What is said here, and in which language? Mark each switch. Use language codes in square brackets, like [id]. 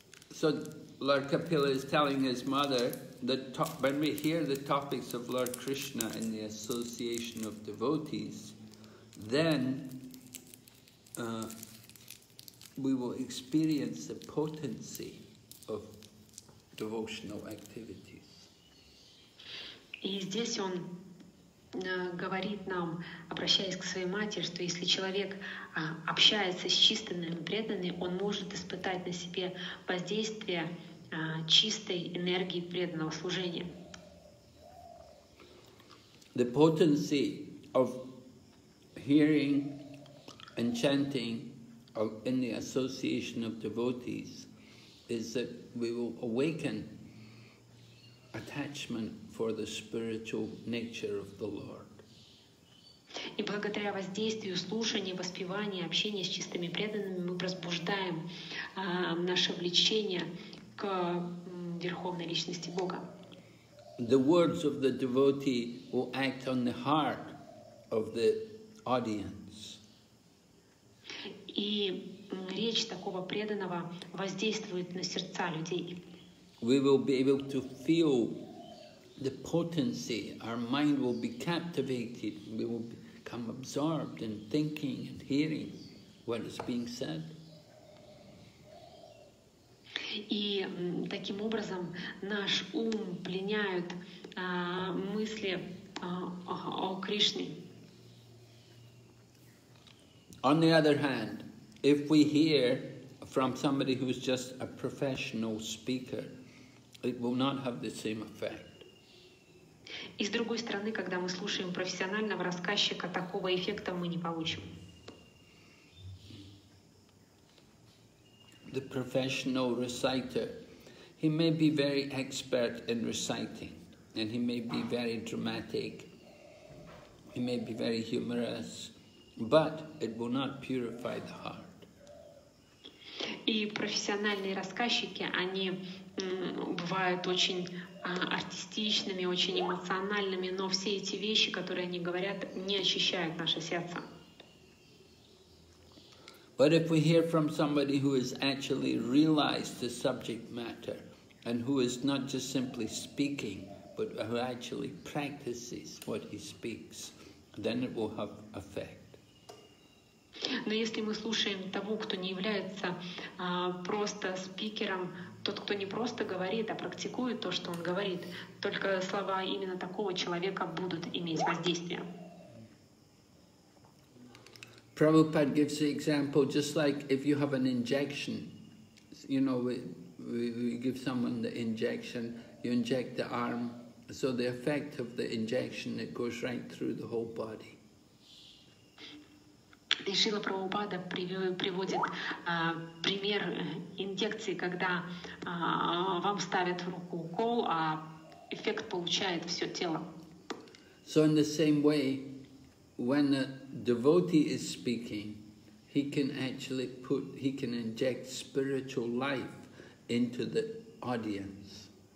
[en] So Lord Kapila is telling his mother that when we hear the topics of Lord Krishna in the association of devotees, then we will experience the potency of devotional activities. [ru] И здесь он говорит нам, обращаясь к своей матери, что если человек общается с чистыми преданными, он может испытать на себе воздействие чистой энергии преданного служения. [en] The potency of hearing and chanting in the association of devotees is that we will awaken attachment for the spiritual nature of the Lord. [ru] И благодаря воздействию слушания, воспевания, общения с чистыми преданными мы пробуждаем наше влечение к верховной личности Бога. [en] The words of the devotee will act on the heart of the audience. [ru] И речь такого преданного воздействует на сердца людей. [en] We will be able to feel the potency. Our mind will be captivated. We will become absorbed in thinking and hearing what is being said. [ru] И таким образом наш ум пленяют мысли о Кришне. [en] On the other hand, if we hear from somebody who is just a professional speaker, it will not have the same effect. [ru] И с другой стороны, когда мы слушаем профессионального рассказчика, такого эффекта мы не получим. [en] The professional reciter, he may be very expert in reciting, and he may be very dramatic, he may be very humorous, but it will not purify the heart. [ru] И профессиональные рассказчики, они бывают очень артистичными, очень эмоциональными, но все эти вещи, которые они говорят, не очищают наше сердце. [en] But if we hear from somebody who has actually realized the subject matter and who is not just simply speaking, but who actually practices what he speaks, then it will have effect. [ru] Но если мы слушаем того, кто не является просто спикером, тот, кто не просто говорит, а практикует то, что он говорит, только слова именно такого человека будут иметь воздействие. [en] Prabhupada gives the example, just like if you have an injection, you know, we give someone the injection, you inject the arm, so the effect of the injection, it goes right through the whole body. [ru] И Шрила Прабхупада приводит пример инъекции, когда вам ставят в руку укол, а эффект получает все тело. [en] So in the same way, when a devotee is speaking, he can actually put, he can inject spiritual life into the audience.